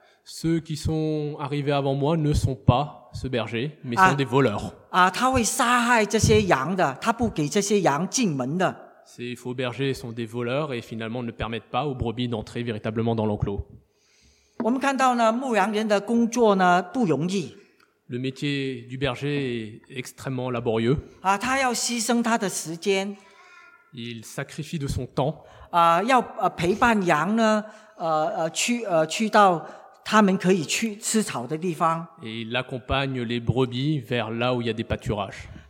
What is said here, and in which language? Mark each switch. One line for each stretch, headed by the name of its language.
French: Ceux qui sont arrivés avant moi ne sont pas ce berger, mais sont des voleurs.
Chinese: Ah, 他会杀害这些羊的，他不给这些�ang进门的.
French: Ces faux bergers sont des voleurs et finalement ne permettent pas aux brebis d'entrer véritablement dans l'enclos.
Chinese: 我们看到呢，牧羊人的工作呢不容易.
French: Le métier du berger est extrêmement laborieux.
Chinese: Ah, 他要牺牲他的时间.
French: Il sacrifie de son temps.
Chinese: Ah, 要陪伴羊呢，去到 他们可以去吃草的地方.
French: Et il accompagne les brebis vers là où il y a des pâturages.